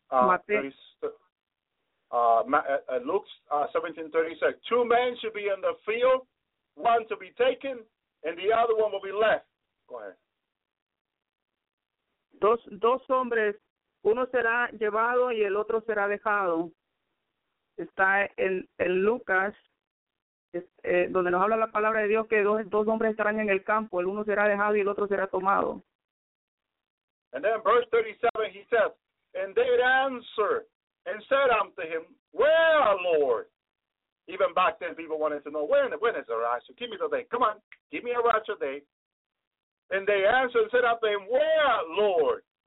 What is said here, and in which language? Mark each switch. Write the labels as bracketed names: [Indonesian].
[English] Luke 17:36, two men should be in the field, one to be taken, and the other one will be left. Go ahead. [Spanish] Dos hombres, uno será llevado y el otro será dejado. Está en Lucas, donde nos habla la palabra de Dios, que dos hombres estarán en el campo, el uno será dejado y el otro será tomado. [English] And then verse 37, he says, and they answered and said unto him, well, Lord. Even back then, people wanted to know, when is the rapture? Give me the day. Come on. Give me a rapture day. And they answered and said unto him, where, Lord?